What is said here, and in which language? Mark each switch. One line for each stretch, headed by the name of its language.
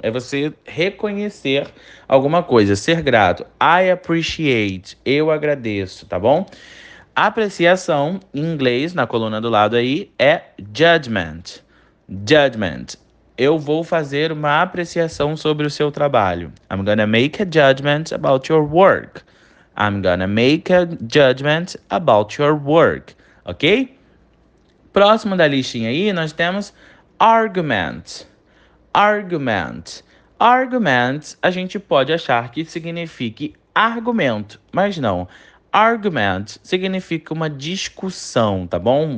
Portuguese: É você reconhecer alguma coisa, ser grato.
English: I appreciate.
Portuguese: Eu agradeço, tá bom? Apreciação, em inglês, na coluna do lado aí, é judgment. Judgment. Eu vou fazer uma apreciação sobre o seu trabalho.
English: I'm gonna make a judgment about your work. I'm gonna make a judgment about your work. Ok?
Portuguese: Próximo da listinha aí, nós temos argument. Argument. Argument, a gente pode achar que signifique argumento, mas não. Argument significa uma discussão, tá bom?